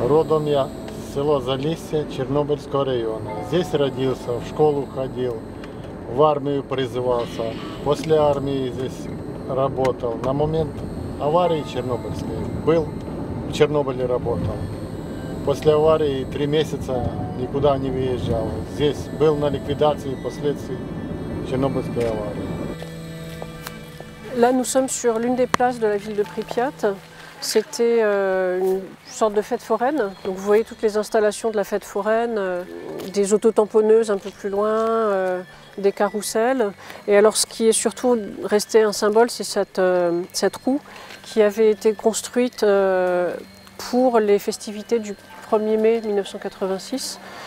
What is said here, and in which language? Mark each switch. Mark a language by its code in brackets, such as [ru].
[uk] Родом я з села Залісся Чернобильського району. [ru] Здесь родился, в школу ходил. В армию призывался, после армии здесь работал. На момент аварии Чернобыльской был, в Чернобыле работал. После аварии 3 месяца никуда не выезжал. Здесь был на ликвидации последствий Чернобыльской аварии. [fr] Là nous sommes sur l'une des places de la ville de Pripyat. C'était une sorte de fête foraine. Donc vous voyez toutes les installations de la fête foraine, des autotamponneuses un peu plus loin, des carrousels. Et alors ce qui est surtout resté un symbole, c'est cette roue qui avait été construite pour les festivités du 1er mai 1986.